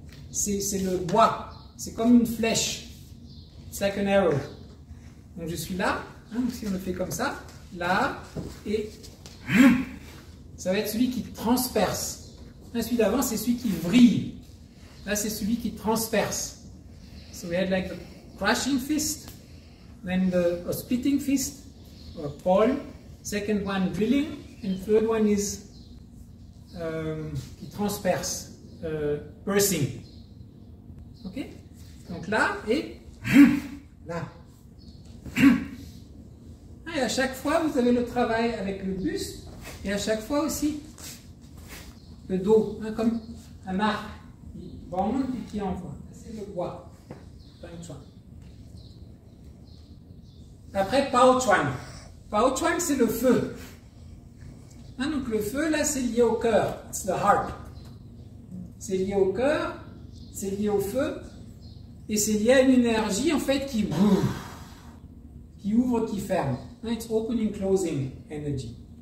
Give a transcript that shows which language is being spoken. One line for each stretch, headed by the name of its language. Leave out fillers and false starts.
French: C'est le bois. C'est comme une flèche.
English: It's like an arrow.
French: Donc je suis là. Hein, si on le fait comme ça. Là, et ça va être celui qui transperce. Là, celui d'avant, c'est celui qui vrille. Là, c'est celui qui transperce.
English: So we had like a crushing fist, then a splitting fist, or a pole. Second one, drilling, and third one is
French: qui transperce,
English: piercing.
French: Ok? Donc là, et là. Et à chaque fois, vous avez le travail avec le buste et à chaque fois aussi le dos, hein, comme un arc qui monte et qui envoie. C'est le bois, Pao Chuan. Après, Pao Chuan. Pao Chuan, c'est le feu. Hein, donc le feu, là, c'est lié au cœur.
English: It's the heart.
French: C'est lié au cœur, c'est lié au feu et c'est lié à une énergie, en fait, qui brûle. Qui ouvre, qui ferme.
English: It's opening, closing energy.